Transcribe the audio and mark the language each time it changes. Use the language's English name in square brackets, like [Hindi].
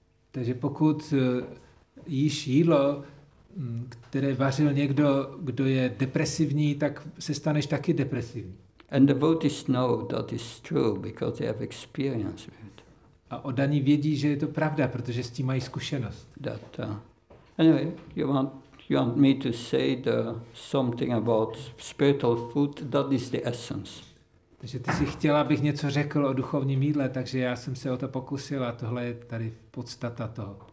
[Czech] Takže pokud jíš jídlo, které vařil někdo, kdo je depresivní, tak se staneš taky depresivní. [English] And devotees know that is true because they have experience with it. [Czech] A oddaní vědí, že je to pravda, protože s tím mají zkušenost. [English] That, anyway, you want me to say something about spiritual food? That is the essence. [Czech] Takže ty jsi chtěla, abych něco řekl o duchovním jídle, takže já jsem se o to pokusil a tohle je tady podstata toho.